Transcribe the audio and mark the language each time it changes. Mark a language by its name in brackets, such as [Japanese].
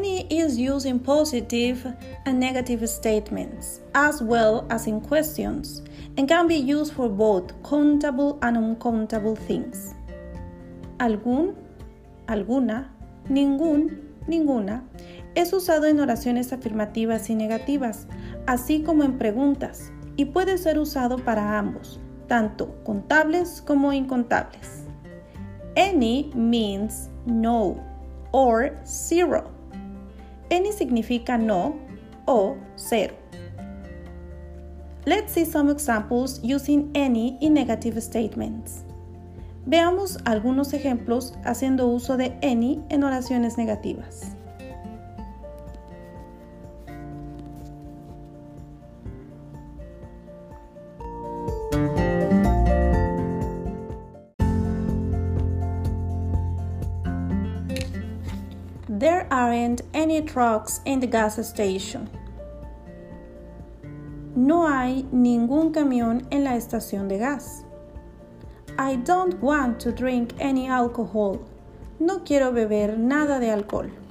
[English] Is used in positive and negative statements, as well as in questions, and can be used for both countable and uncountable things. [Spanish] Algún, alguna, ningún, ninguna, es usado en oraciones afirmativas y negativas, así como en preguntas, y puede ser usado para ambos, tanto contables como incontables. [English] Any means no or zero. [Spanish] Any significa no o cero. [English] Let's see some examples using any in negative statements. [Spanish] Veamos algunos ejemplos haciendo uso de any en oraciones negativas. [English] There aren't any trucks in the gas station. [Spanish] No hay ningún camión en la estación de gas. [English] I don't want to drink any alcohol. [Spanish] No quiero beber nada de alcohol.